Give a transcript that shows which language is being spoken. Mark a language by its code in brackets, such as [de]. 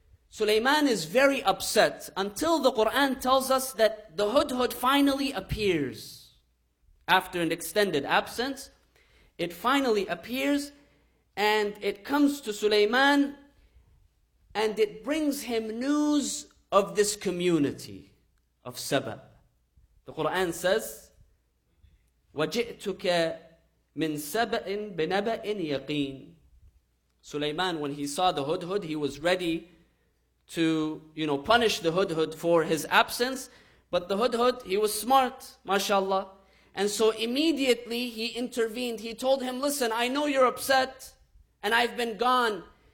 [en] Sulaiman is very upset until the Quran tells us that the Hudhud finally appears. After an extended absence, it finally appears. And it comes to Sulaiman and it brings him news of this community of Saba. The Quran says, [ar] وَجِئْتُكَ مِن سَبَئٍ بِنَبَئٍ يَقِينٍ. [en] Sulaiman, when he saw the Hudhud, he was ready to, you know, punish the Hudhud for his absence. But the Hudhud, he was smart, mashallah. And so immediately he intervened. He told him, listen, I know you're upset. And I've been gone,